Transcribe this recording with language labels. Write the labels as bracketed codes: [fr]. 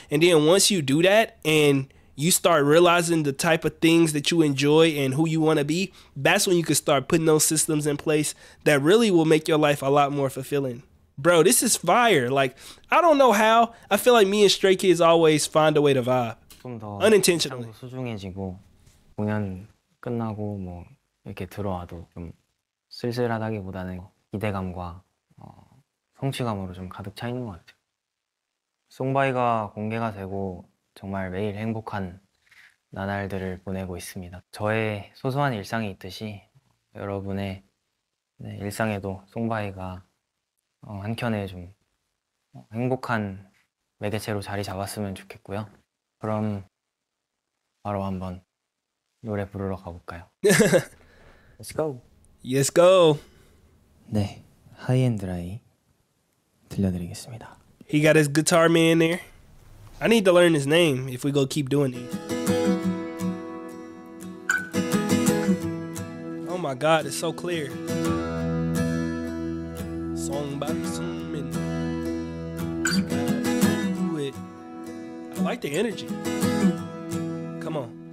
[en] And then once you do that and you start realizing the type of things that you enjoy and who you want to be, that's when you can start putting those systems in place that really will make your life a lot more fulfilling. Bro, this is fire. Like, I don't know how. I feel like me and Stray Kids always find a way to vibe. [ko] 좀 더 [en] unintentionally. [ko] 소중해지고 5년 끝나고 뭐 이렇게 들어와도 좀 쓸쓸하다기보다는 기대감과 성취감으로 좀 가득 차 있는 것 같아요. 송바이가 공개가 되고 정말 매일 행복한 나날들을 보내고 있습니다. 저의 소소한 일상이 있듯이 여러분의 일상에도 송바이가 한켠에 좀 행복한 매개체로 자리 잡았으면 좋겠고요. 그럼 바로 한번 노래 부르러 가볼까요? [en] Let's go! Yes, go! [ko] 네, 하이엔드라이 들려드리겠습니다. [en] He got his guitar man there. I need to learn his name if we go keep doing these. Oh my God, it's so clear. Song by Sumin. I like the energy. Come on.